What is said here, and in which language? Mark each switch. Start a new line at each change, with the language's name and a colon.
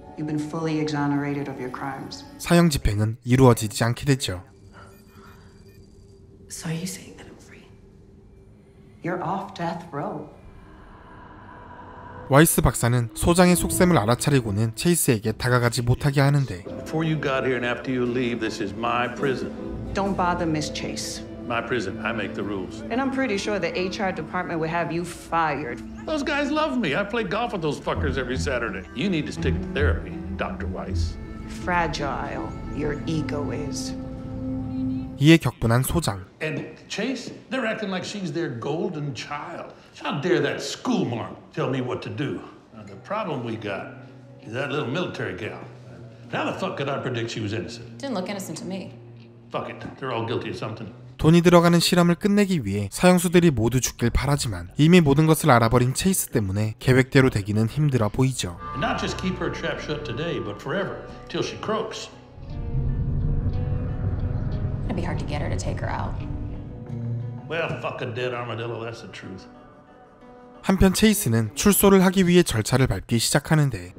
English: You've been fully exonerated of your crimes.
Korean: 사형 집행은 이루어지지 않게 되죠.
English: So you're saying that I'm free? You're off death row.
Korean: 와이스 박사는 소장의 속셈을 알아차리고는 체이스에게 다가가지 못하게 하는데
English: Before you got here and after you leave, this is my prison. Don't bother Miss Chase. My prison, I make the rules. And I'm pretty sure the HR department would have you fired. Those guys love me. I play golf with those fuckers every Saturday. You need to stick to therapy, Dr. Weiss. Fragile your ego is.
Korean: 이에 격분한 소장.
English: And Chase, they're acting like she's their golden child. How dare that school marm tell me what to do? Now, the problem we got is that little military gal. How the fuck could I predict she was innocent? Didn't look innocent to me. Fuck it. They're all guilty of something.
Korean: 돈이 들어가는 실험을 끝내기 위해 사형수들이 모두 죽길 바라지만 이미 모든 것을 알아버린 체이스 때문에 계획대로 되기는 힘들어 보이죠.
English: And not just keep her trap shut today, but forever, till she croaks. It'd be hard to get her to take her out. Well, fuck a dead armadillo, that's the truth.
Korean: 한편 체이스는 출소를 하기 위해 절차를 밟기 시작하는데